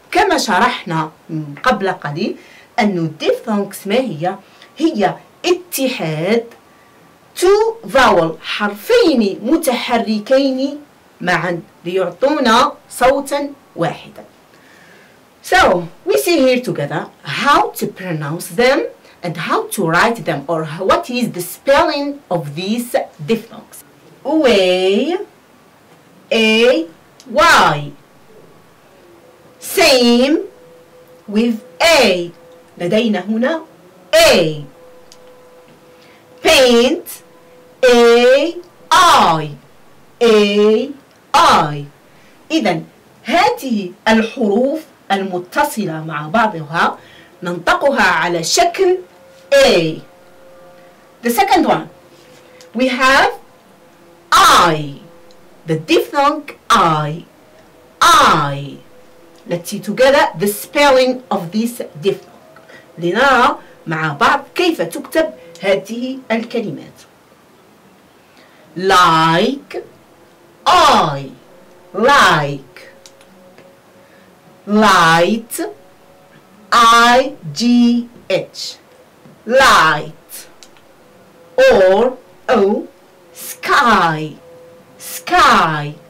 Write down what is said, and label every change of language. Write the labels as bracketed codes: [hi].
[ar] كما شرحنا قبل قليل أن diphthongs ما هي؟ هي اتحاد [en] two vowel [ar] حرفين متحركين معا ليعطونا صوتا واحدا. [en] So we see here together how to pronounce them and how to write them, or what is the spelling of these diphthongs. Away, A, Y. Same with A. [ar] لدينا هنا [en] A. Paint, A, I. A, I. [ar] إذن هذه الحروف المتصلة مع بعضها ننطقها على شكل A. [en] The second one, we have I, the diphthong I, I. Let's see together the spelling of this diphthong. [ar] لنرى مع بعض كيف تكتب هذه الكلمات. [en] Like, I, like. Light, I-G-H, light, or O, sky, sky.